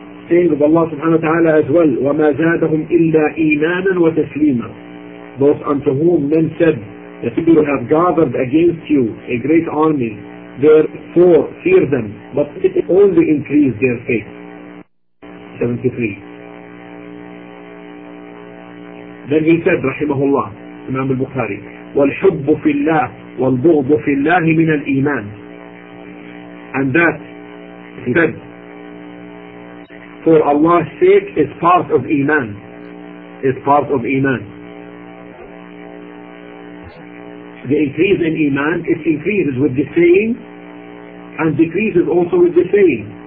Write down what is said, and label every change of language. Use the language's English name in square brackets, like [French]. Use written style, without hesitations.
[English] Saying of Allah subhanahu wa ta'ala as well, [Arabic] وَمَا زَادَهُمْ إِلَّا إِيمَانًا وَتَسْلِيمًا. [English] Those unto whom men said, the people have gathered against you a great army, therefore fear them, but it only increased their faith. 73. Then he said, rahimahullah, Imam al-Bukhari, [Arabic] وَالْحُبُّ فِي اللَّهِ وَالْبُغْضُ فِي اللَّهِ مِنَ الْإِيمَانِ. [English] And that, he said, for Allah's sake is part of Iman. Is part of Iman. The increase in Iman, it increases with the saying and decreases also with the saying.